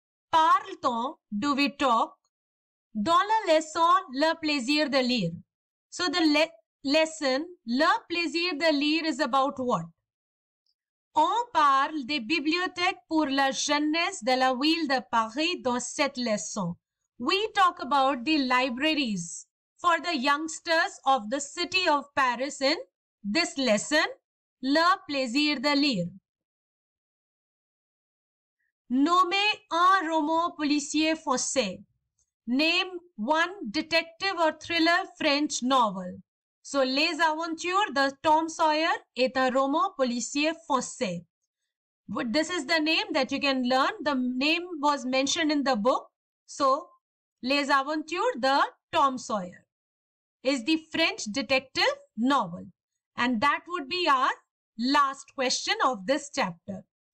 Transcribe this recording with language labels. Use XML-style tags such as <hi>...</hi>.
<fr>Parle-t-on,</fr> <en>do we talk,</en> <fr>dans la leçon Le Plaisir de Lire?</fr> <en>So the lesson Le plaisir de lire is about what?</en> <fr>On parle des bibliothèques pour la jeunesse de la ville de Paris dans cette leçon.</fr> <en>We talk about the libraries for the youngsters of the city of Paris in this lesson, Le plaisir de lire.</en> <fr>Nommez un roman policier français.</fr> <en>Name one detective or thriller French novel.</en> <fr>So, Les Aventures de Tom Sawyer est un roman policier français.</fr> <en>This is the name that you can learn. The name was mentioned in the book. So, Les Aventures de Tom Sawyer is the French detective novel. And that would be our last question of this chapter.</en>